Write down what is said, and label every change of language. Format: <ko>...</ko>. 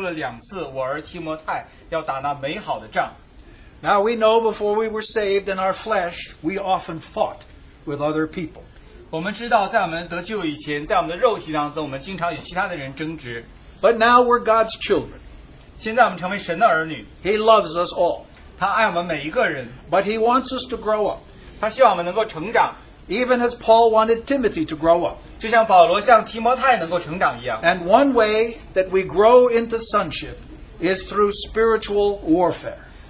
<zh>在这两段经节当中我们看见保罗说了两次我儿提摩太要打那美好的仗。</zh> <en>Now we know before we were saved in our flesh, we often fought with other people.</en> <zh>我们知道在我们得救以前,在我们的肉体当中,我们经常与其他的人争执。</zh> <en>But now we're God's children.</en> <zh>现在我们成为神的儿女。</zh> <en>He loves us all.</en> <zh>他爱我们每一个人。</zh> <en>But he wants us to grow up.</en> <zh>他希望我们能够成长。</zh> <en>Even as Paul wanted Timothy to grow up.</en> <zh>就像保罗向提摩太能够成长一样。</zh> <en>And one way that we grow into sonship is through spiritual warfare.</en>